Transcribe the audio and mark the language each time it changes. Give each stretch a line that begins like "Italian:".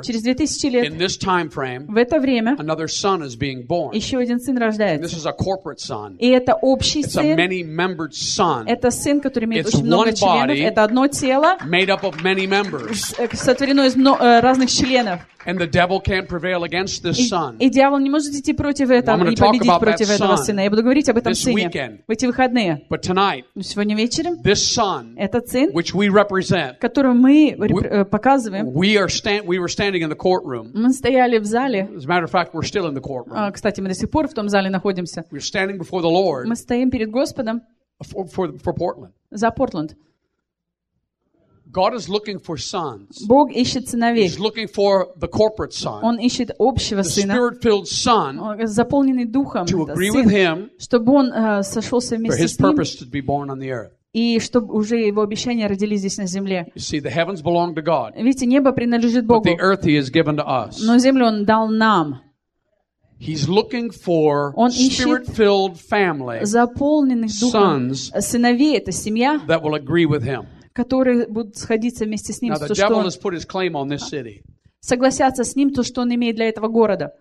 Russian: через 2000 лет,
English: in this time frame,
Russian: в это время,
English: another son is being born.
Russian: Еще один сын рождается.
English: And this is a corporate son.
Russian: И это общий
English: It's
Russian: сын.
English: A many-membered son.
Russian: Это сын, который имеет
English: It's
Russian: очень много членов.
English: Body,
Russian: это одно тело,
English: made up of many members.
Russian: Сотворено из разных членов.
English: And the devil can't prevail against this son.
Russian: И дьявол не может идти против этого и победить против этого сына. Я буду говорить об этом сыне в эти выходные.
English: But tonight,
Russian: сегодня вечером,
English: this son,
Russian: этот сын,
English: which we represent,
Russian: которого мы показываем,
English: we were standing in the courtroom.
Russian: Мы стояли в зале.
English: As a matter of fact, we're still in the courtroom.
Russian: Кстати, мы до сих пор в том зале находимся.
English: We're standing before the Lord.
Russian: Мы стоим перед Господом.
English: For Portland.
Russian: За Портленд.
English: God is looking for sons.
Russian: Бог ищет сыновей.
English: He's looking for the corporate son.
Russian: Он ищет общего
English: the
Russian: сына.
English: The spirit-filled son.
Russian: Заполненный духом.
English: To agree with him.
Russian: Чтобы он сошелся вместе с ним.
English: For his purpose to be born on the earth.
Russian: И чтобы уже его обещания родились здесь на земле.
English: You see, the heavens belong to God.
Russian: Видите, небо принадлежит Богу.
English: But the earth he has given to us.
Russian: Но землю он дал нам.
English: He's looking for spirit-filled family.
Russian: Заполненных духом
English: sons.
Russian: Сыновей, это семья.
English: That will agree with him.
Russian: Которые будут сходиться вместе с ним.
English: Now, the devil has put his claim on this city.
Russian: Согласятся с ним то, что он имеет для этого города.